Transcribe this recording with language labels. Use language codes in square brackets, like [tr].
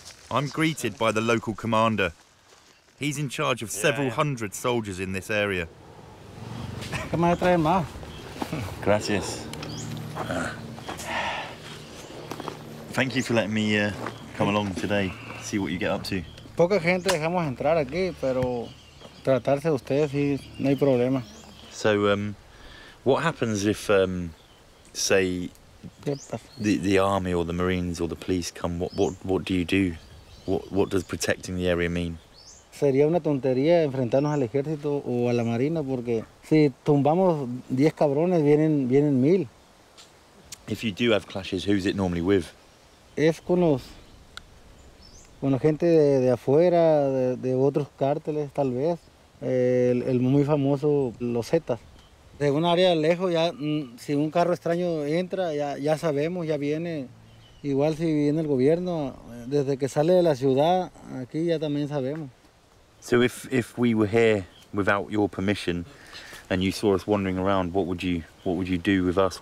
[en] I'm greeted by the local commander. He's in charge of several hundred soldiers in this area. Come on, try him out. [es] Gracias. [en] Thank you for letting me come along today, see what you get up to. [es] Poca gente dejamos entrar aquí, pero tratarse de ustedes sí, no hay problema. [en] So, what happens if, say, the army or the marines or the police come? What do you do? What does protecting the area mean? [es] Sería una tontería enfrentarnos al ejército o a la marina porque si tumbamos 10 cabrones vienen 1,000. [en] If you do have clashes, who's it normally with? [es] Es con gente de afuera, de otros cárteles, tal vez. El muy famoso Los Zetas. De un área lejos, ya si un carro extraño entra, ya sabemos, ya viene. Igual si viene el gobierno, desde que sale de la ciudad, aquí ya también sabemos. [en] So if we were here without your permission, and you saw us wandering around, what would you do with us?